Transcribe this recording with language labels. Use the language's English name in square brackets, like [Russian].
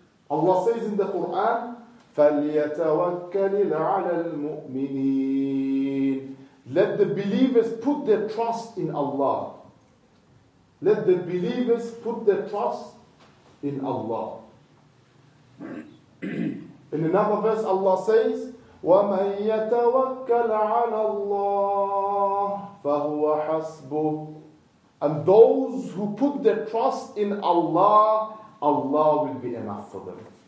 [English] Allah says in the Quran, [Arabic] فَلْيَتَوَكَّلِ عَلَى الْمُؤْمِنِينَ. [English] Let the believers put their trust in Allah. Let the believers put their trust in Allah. In another verse, Allah says, [Arabic] وَمَنْ يَتَوَكَّلْ عَلَى اللَّهِ فَهُوَ حَسْبُهُ. [English] And those who put their trust in Allah, Allah will be enough for them.